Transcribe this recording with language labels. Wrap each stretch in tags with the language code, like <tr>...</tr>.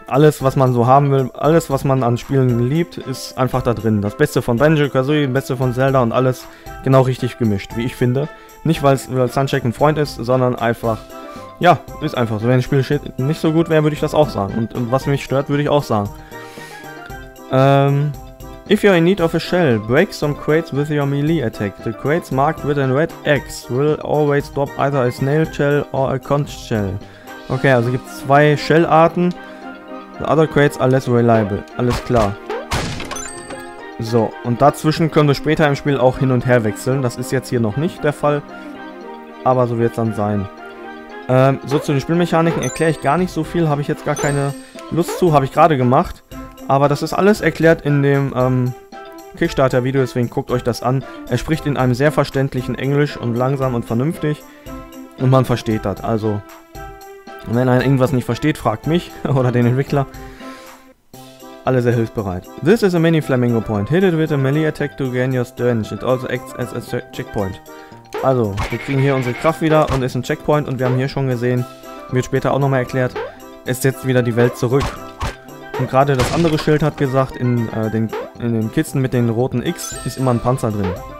<de>Alles, was man so haben will, alles, was man an Spielen liebt, ist einfach da drin. Das Beste von Banjo-Kazooie, das Beste von Zelda und alles genau richtig gemischt, wie ich finde. Nicht, weil Sunshack ein Freund ist, sondern einfach, ja, ist einfach so. Wenn ein Spiel nicht so gut wäre, würde ich das auch sagen. Und was mich stört, würde ich auch sagen.</de> <en>If you're in need of a shell, break some crates with your melee attack. The crates marked with a red X will always drop either a snail shell or a conch shell.</en> <de>Okay, also gibt es zwei Shell-Arten.</de> <en>The other crates are less reliable.</en> <de>Alles klar. So, und dazwischen können wir später im Spiel auch hin und her wechseln. Das ist jetzt hier noch nicht der Fall, aber so wird es dann sein. So, zu den Spielmechaniken erkläre ich gar nicht so viel, habe ich jetzt gar keine Lust zu, habe ich gerade gemacht. Aber das ist alles erklärt in dem Kickstarter-Video, deswegen guckt euch das an. Er spricht in einem sehr verständlichen Englisch und langsam und vernünftig und man versteht das. Also, wenn einer irgendwas nicht versteht, fragt mich oder den Entwickler. Alle sehr hilfsbereit.</de> <en>This is a mini flamingo point. Hit it with a melee attack to gain your strength. It also acts as a checkpoint.</en> <de>Also, wir kriegen hier unsere Kraft wieder und ist ein Checkpoint. Und wir haben hier schon gesehen, wird später auch nochmal erklärt, es setzt wieder die Welt zurück. Und gerade das andere Schild hat gesagt, in den Kisten mit den roten X ist immer ein Panzer drin.</de>